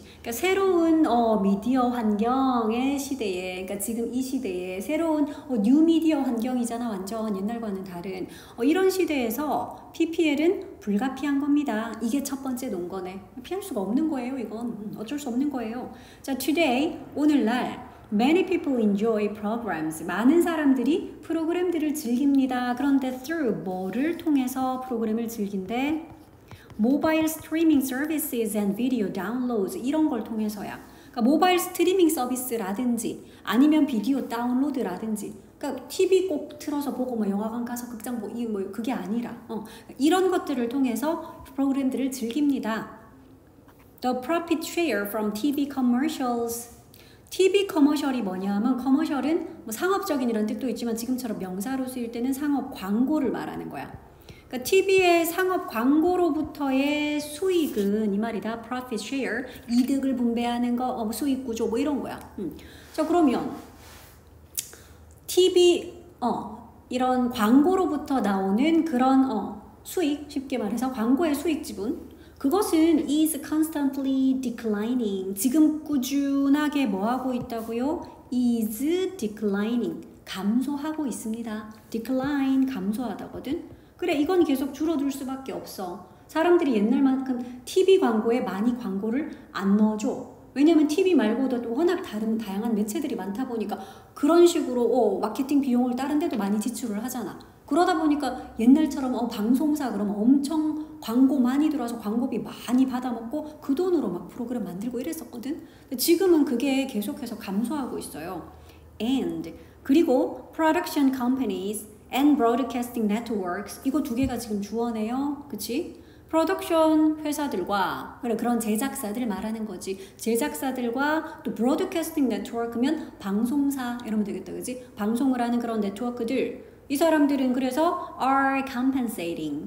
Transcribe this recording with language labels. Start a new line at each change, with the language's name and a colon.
Korean: 그러니까 새로운 미디어 환경의 시대에, 그러니까 지금 이 시대에 새로운 new media 환경이잖아. 완전 옛날과는 다른. 이런 시대에서 PPL은 불가피한 겁니다. 이게 첫 번째 논거네. 피할 수가 없는 거예요, 이건. 어쩔 수 없는 거예요. 자, today, 오늘날.
English: Many people enjoy programs.
Korean: 많은 사람들이 프로그램들을 즐깁니다. 그런데 through 뭐를 통해서 프로그램을 즐긴대?
English: Mobile streaming services and video downloads 이런 걸 통해서야.
Korean: 그러니까 모바일 스트리밍 서비스라든지 아니면 비디오 다운로드라든지. 그러니까 TV 꼭 틀어서 보고 뭐 영화관 가서 극장 뭐 그게 아니라 이런 것들을 통해서 프로그램들을 즐깁니다.
English: The profit share from TV commercials.
Korean: TV 커머셜이 뭐냐면, 커머셜은 뭐 상업적인 이런 뜻도 있지만 지금처럼 명사로 쓰일 때는 상업 광고를 말하는 거야. 그러니까 TV의 상업 광고로부터의 수익은 이 말이다.
English: Profit share.
Korean: 이득을 분배하는 거, 수익 구조, 뭐 이런 거야. 자, 그러면, TV, 이런 광고로부터 나오는 그런, 수익, 쉽게 말해서 광고의 수익 지분. 그것은
English: is constantly declining.
Korean: 지금 꾸준하게 뭐 하고 있다고요?
English: is declining.
Korean: 감소하고 있습니다. decline, 감소하다거든. 그래, 이건 계속 줄어들 수밖에 없어. 사람들이 옛날만큼 TV 광고에 많이 광고를 안 넣어줘. 왜냐면 TV 말고도 워낙 다른 다양한 매체들이 많다 보니까 그런 식으로 마케팅 비용을 다른 데도 많이 지출을 하잖아. 그러다 보니까 옛날처럼 방송사 그러면 엄청 광고 많이 들어와서 광고비 많이 받아먹고 그 돈으로 막 프로그램 만들고 이랬었거든. 지금은 그게 계속해서 감소하고 있어요.
English: And
Korean: 그리고
English: production companies and broadcasting networks.
Korean: 이거 두 개가 지금 주어네요. 그치? 프로덕션 회사들과, 그래, 그런 제작사들 말하는 거지. 제작사들과 또 broadcasting network면 방송사 이러면 되겠다. 그치? 방송을 하는 그런 네트워크들. 이 사람들은 그래서
English: are compensating.